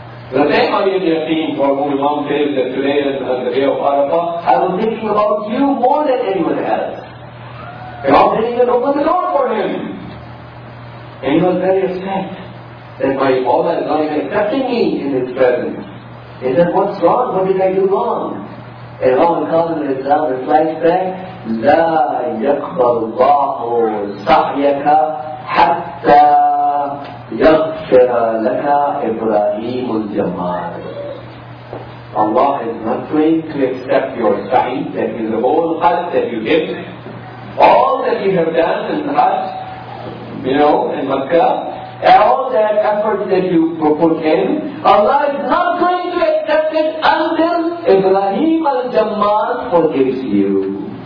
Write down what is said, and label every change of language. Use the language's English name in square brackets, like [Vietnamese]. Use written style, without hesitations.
[English] The same Ali ibn Yaqeen for whom Imam says that today is the day of Arafah, I was thinking about you more than anyone else. Imam didn't even open the door for him. And he was very upset that my father is not even accepting me in his presence. He said, what's wrong? What did I do wrong? And Imam al-Qadr al-Islam replies back, [Arabic] لَا يَقْبَلُ اللَّهُ صَحْيَكَ حَتَّى يَغْفِرَ لَكَ إِبْرَاهِيمُ الْجَمَّالِ. [English] Allah is not going to accept your sa'i, that is the whole Hajj that you did, all that you have done in the Hajj, you know, in Makkah, and all that effort that you put in, Allah is not going to accept it until Ibrahim al-Jammal forgives you.